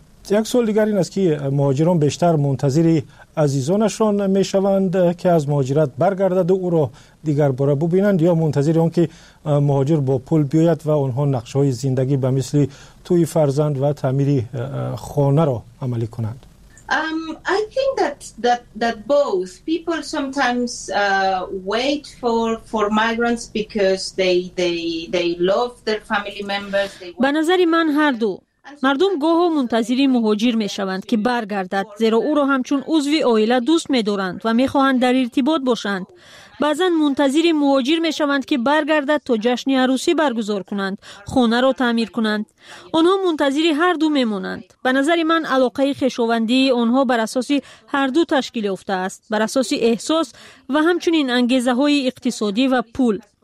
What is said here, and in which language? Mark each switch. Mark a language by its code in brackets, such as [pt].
[fa] یک سوال دیگر این است که مهاجران بیشتر منتظر عزیزانشان می شوند که از مهاجرت برگردد و او را دیگر باره ببینند، یا منتظر اون که مهاجر با پول بیاید و اونها نقشه های زندگی به مثل توی فرزند و تعمیر خانه را عملی کنند؟ [en] I think that both people sometimes wait for migrants because they love their family members. [fa] به نظر من هر دو. مردم گاه و منتظری مهاجر می شوند که برگردد، زیرا او را همچون عضوی آیله دوست می دارند و می خواهند در ارتباط باشند. بعضن منتظری مهاجر می شوند که برگردد تا جشن عروسی برگزار کنند، خانه را تعمیر کنند. آنها منتظری هر دو می مانند. به نظر من علاقه خویشاوندی آنها بر اساس هر دو تشکیل یافته است، بر اساس احساس و همچنین انگیزه های اقتصادی و پول.